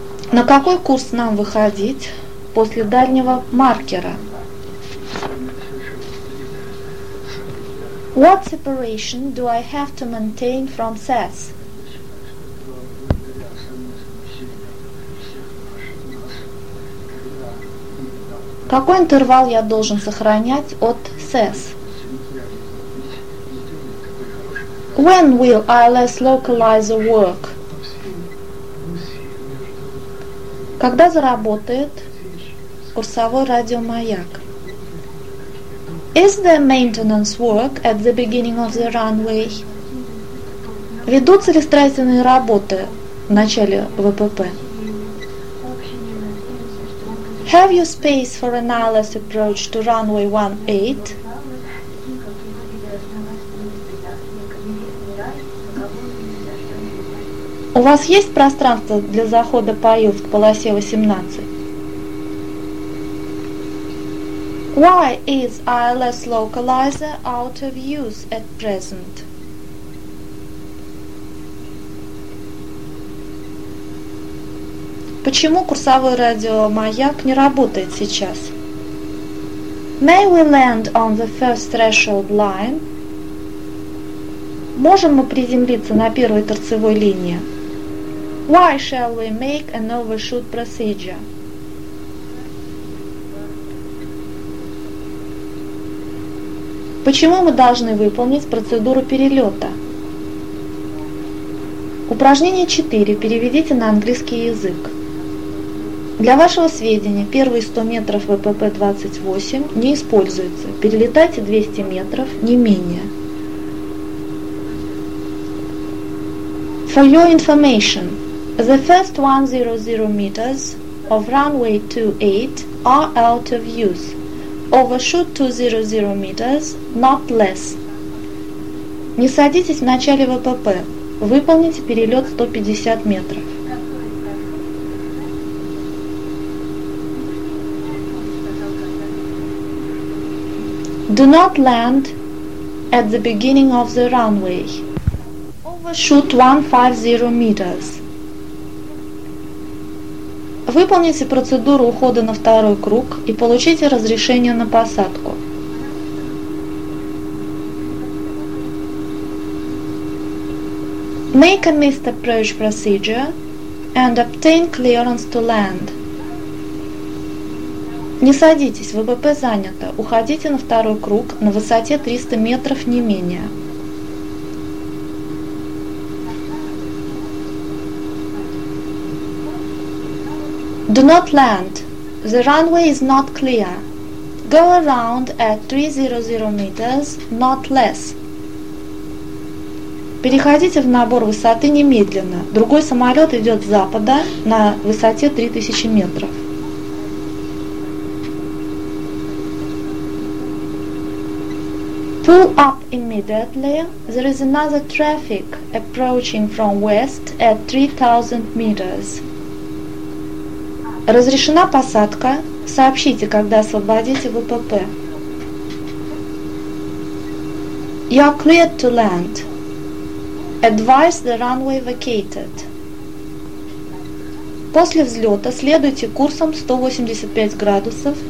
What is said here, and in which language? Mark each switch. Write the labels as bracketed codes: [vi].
[ru] На какой курс нам выходить после дальнего маркера? [en] What separation do I have to maintain from SAS? [ru] Какой интервал я должен сохранять от SES? [en] When will ILS localizer work? [ru] Когда заработает курсовой радиомаяк? [en] Is there maintenance work at the beginning of the runway? [ru] Ведутся ли строительные работы в начале ВПП? [en] Have you space for an ILS approach to runway 18? [ru] У вас есть пространство для захода поезд к полосе 18? [en] Why is ILS localizer out of use at present? [ru] Почему курсовой радиомаяк не работает сейчас? [en] May we land on the first threshold line? [ru] Можем мы приземлиться на первой торцевой линии? [en] Why shall we make an overshoot procedure? [ru] Почему мы должны выполнить процедуру перелета? Упражнение 4. Переведите на английский язык. Для вашего сведения, первые 100 метров ВПП-28 не используются. Перелетайте 200 метров, не менее. [en] For your information, the first 100 meters of runway 28 are out of use. Overshoot 200 meters, not less. [ru] Не садитесь в начале ВПП. Выполните перелет 150 метров. [en] Do not land at the beginning of the runway. Overshoot 150 meters. [ru] Выполните процедуру ухода на второй круг и получите разрешение на посадку. [en] Make a missed approach procedure and obtain clearance to land. [ru] Не садитесь, ВПП занято. Уходите на второй круг на высоте 300 метров не менее. [en] Do not land. The runway is not clear. Go around at 300 meters, not less. [ru] Переходите в набор высоты немедленно. Другой самолет идет с запада на высоте 3000 метров. [en] Pull up immediately. There is another traffic approaching from west at 3000 meters. [ru] Разрешена посадка. Сообщите, когда освободите ВПП. [en] You are cleared to land. Advise the runway vacated. [ru] После взлета следуйте курсом 185 градусов